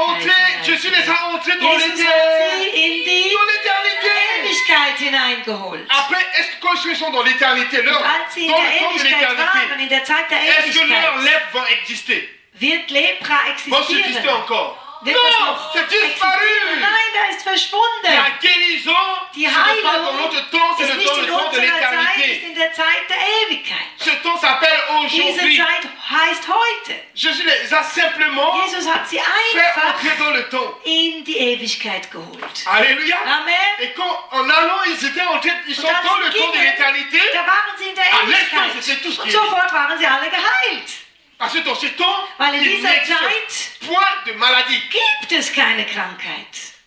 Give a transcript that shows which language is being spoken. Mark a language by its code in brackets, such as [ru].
[fr] Entrer, Jésus les a entrés dans l'éternité. [de] Ewigkeit hineingeholt. [fr] Après, est-ce que quand ils sont dans l'éternité, leur dans [de] in der Ewigkeit waren, in der Zeit der Ewigkeit, [fr] est-ce que leur lèpre va exister? [de] Wird Lepra existieren? [fr] Va subsister encore? Non, c'est disparu. [de] Nein, da ist verschwunden. Die Heilung, die Heilung ist nicht in unserer Zeit, ist in der Zeit der Ewigkeit. [fr] Ce temps s'appelle aujourd'hui. [de] Diese Zeit heißt heute. [fr] Jésus a simplement [de] Jesus hat sie einfach [fr] fait entrer dans le temps. [de] In die Ewigkeit geholt. Alléluia. Amen. [fr] Et quand, en allant, ils étaient entrés, ils sont dans le temps de l'éternité. [de] Da waren sie in der Ewigkeit. [fr] Tout ce [de] Und sofort waren sie alle geheilt. [fr] Parce que dans ce temps, [de] Weil in dieser Zeit [fr] point de maladie. [de] Gibt es keine Krankheit.